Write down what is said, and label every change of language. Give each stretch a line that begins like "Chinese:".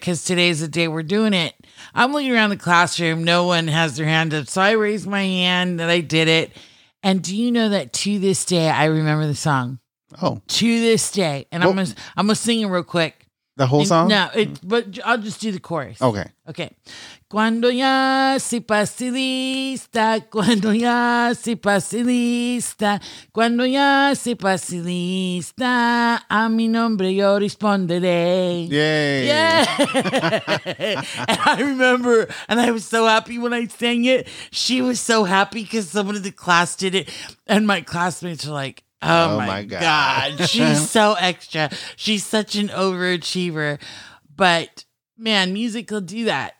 English: Because today's the day we're doing it. I'm looking around the classroom. No one has their hand up. So I raised my hand that I did it. And do you know that to this day, I remember the song? Oh. To this day. And well, I'm gonna sing it real quick. The whole song? No, but I'll just do the chorus. Okay. Okay.
Spanish: Cuando ya se pase lista, cuando ya se pase lista, cuando ya se pase lista, a mi nombre yo responderé. Yay.
English: Yeah. And I remember, and I was so happy when I sang it. She was so happy because someone in the class did it. And my classmates were like, Oh my God. She's so extra. She's such an overachiever. But man, music will do that.